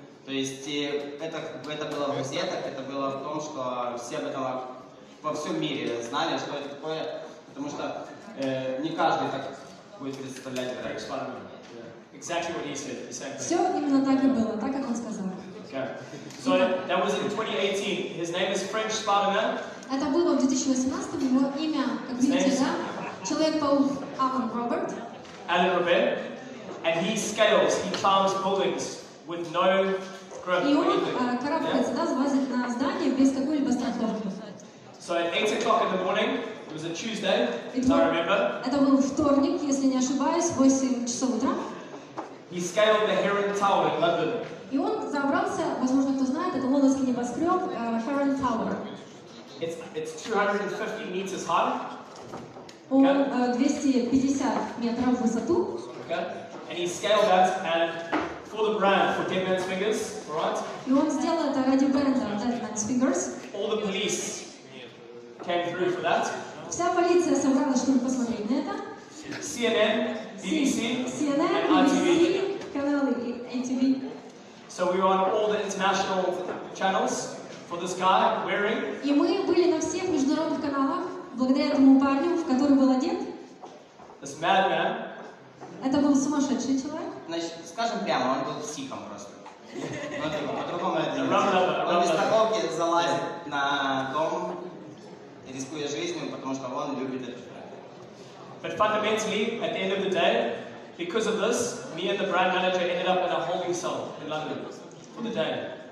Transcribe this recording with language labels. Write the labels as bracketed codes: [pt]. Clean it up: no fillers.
[ru] То есть это было в газетах, это было в том, что все об этом во всем мире знали, что это такое, потому что не каждый так будет представлять это. [en] Exactly what he said. [ru] Все именно так и было, так как он сказал. [en] Okay. So that was in 2018. His name is French Spider-Man. [ru] Это было в 2018, его имя, как видите, да? Человек-паук Алан Роберт. [en] Alan Robert, and he scales, he climbs buildings with no grip. [ru] И он карабкается, да, залазит на здание без какой-либо страховки. [en] So at 8 o'clock in the morning, it was a Tuesday, if I remember. [ru] Это был вторник, если не ошибаюсь, 8 часов утра. [en] He scaled the Heron Tower in London. [ru] И он забрался, возможно, кто знает, это лондонский небоскреб Heron Tower. [en] It's 250 meters high. [ru] Он 250 метров в высоту. [en] Okay. And he scaled that and for the brand, for Dead Man's Fingers, right? [ru] И он сделал это ради бренда Dead Man's Fingers. [en] All the police came through for that. [ru] Вся полиция собралась, чтобы посмотреть на это. [en] CNN, BBC, [ru] CNN, BBC, каналы ATV. [en] So we were on all the international channels for this guy wearing. [ru] И мы были на всех международных каналах благодаря этому парню, в который был одет. [en] This madman. [ru] Это был сумасшедший человек. Значит, скажем прямо, он был психом просто. По-другому это. Он из страховки залазит на дом, рискуя жизнью, потому что он любит этот проект. [en] But fundamentally, at the end of the day, because of this, me and the brand manager ended up in a holding cell in London for the day.